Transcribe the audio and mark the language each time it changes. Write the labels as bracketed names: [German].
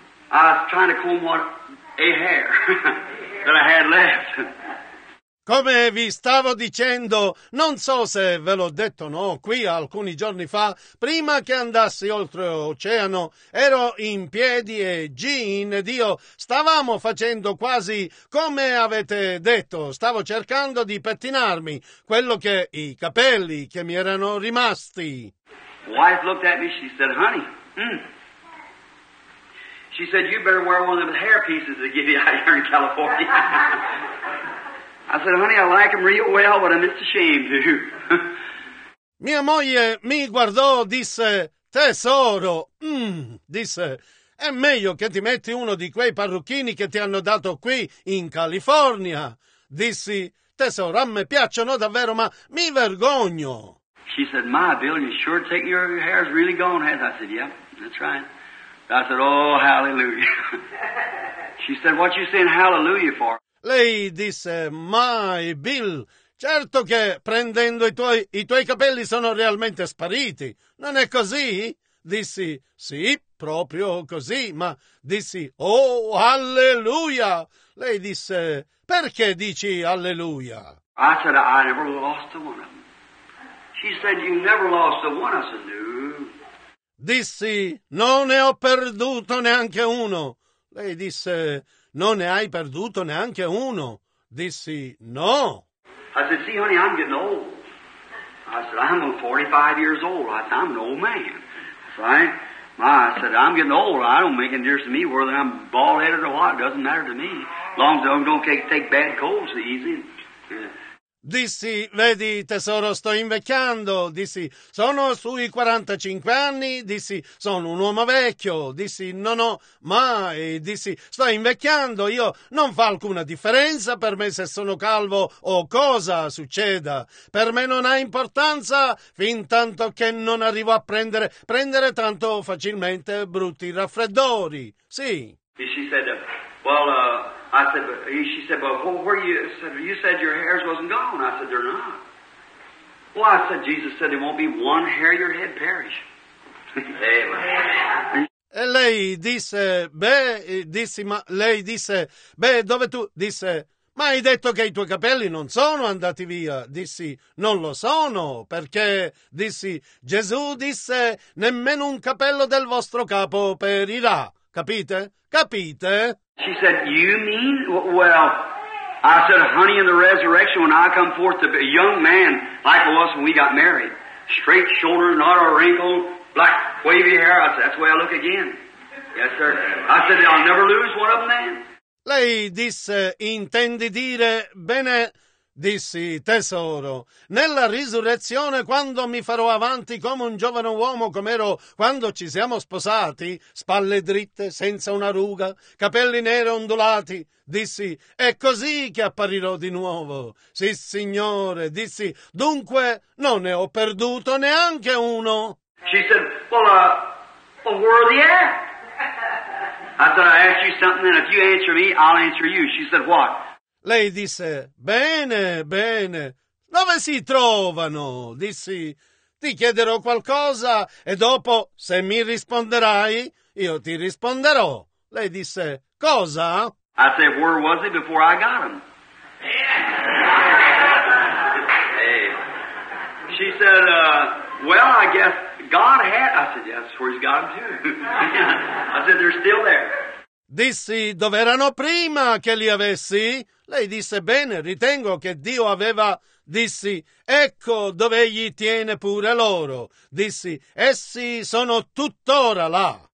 [English] I was trying to comb what a hair that I had left. [Italian] Come vi stavo dicendo, non so se ve l'ho detto o no, qui alcuni giorni fa, prima che andassi oltre oceano, ero in piedi e Gene ed io stavamo facendo quasi come avete detto, stavo cercando di pettinarmi, quello che i capelli che mi erano rimasti. [English] Wife looked at me, she said, honey, she said, you better wear one of the hair pieces they give you out here in California. I said, honey, I like him real well, but I'm just ashamed to. [Italian] Mia moglie mi guardò, disse, tesoro, disse, è meglio che ti metti uno di quei parrucchini che ti hanno dato qui in California. Dissi, tesoro, a me piacciono davvero, ma mi vergogno. [English] She said, my Bill, you sure take your hair's really gone, has? I said, yeah, that's right. I said, oh, hallelujah. She said, what you saying hallelujah for? [Italian] Lei disse, [English] my Bill, [Italian] certo che prendendo i tuoi capelli sono realmente spariti, non è così? Dissi, sì, proprio così, ma dissi, oh, alleluia! Lei disse, perché dici alleluia? [English] I said, I never lost a one of them. She said, you never lost a one. I said, no. [Italian] Dissi, non ne ho perduto neanche uno. Lei disse, non ne hai perduto neanche uno. Dissi, no. [English] I said, see, honey, I'm getting old. I said, I'm 45 years old. I said, I'm an old man. Right? I said, I'm getting old. I don't make any difference to me whether I'm bald-headed or what. It doesn't matter to me. As long as I don't take bad colds easy. [Italian] Dissi, vedi tesoro, sto invecchiando. Dissi, sono sui 45 anni. Dissi, sono un uomo vecchio. Dissi, non ho mai. Dissi, sto invecchiando. Io non fa alcuna differenza per me se sono calvo o cosa succeda. Per me non ha importanza fin tanto che non arrivo a prendere tanto facilmente brutti raffreddori. Sì. [English] She said, well, I said, but she said, but what were you? Said, you said your hairs wasn't gone. I said, they're not. Well, I said, Jesus said there won't be one hair your head perish. Amen. [Italian] E lei disse, beh, dissi, ma lei disse, beh, dove tu? Disse, ma hai detto che i tuoi capelli non sono andati via? Dissi, non lo sono, perché, dissi, Gesù disse, nemmeno un capello del vostro capo perirà. Capite? Capite? [English] She said, you mean? Well, I said, honey, in the resurrection, when I come forth to be a young man like it was when we got married, straight shoulder, not a wrinkle, black, wavy hair, I said, that's the way I look again. Yes, sir. I said, I'll never lose one of them, man. [Italian] Lei disse, intendi dire bene? Dissi, tesoro, nella risurrezione, quando mi farò avanti come un giovane uomo, come ero quando ci siamo sposati, spalle dritte, senza una ruga, capelli neri ondulati, dissi, è così che apparirò di nuovo. Sì, signore, dissi, dunque non ne ho perduto neanche uno. [English] She said, well, where are they at? I said, I ask you something, and if you answer me, I'll answer you. She said, what? [Italian] Lei disse, bene, bene, dove si trovano? Dissi, ti chiederò qualcosa e dopo, se mi risponderai, io ti risponderò. Lei disse, cosa? [English] I said, where was he before I got him? she said, well, I guess God had... I said, yeah, that's where he's gone to. I said, they're still there. [Italian] Dissi, dove erano prima che li avessi? Lei disse, bene, ritengo che Dio aveva... Dissi, ecco dove egli tiene pure loro. Dissi, essi sono tuttora là.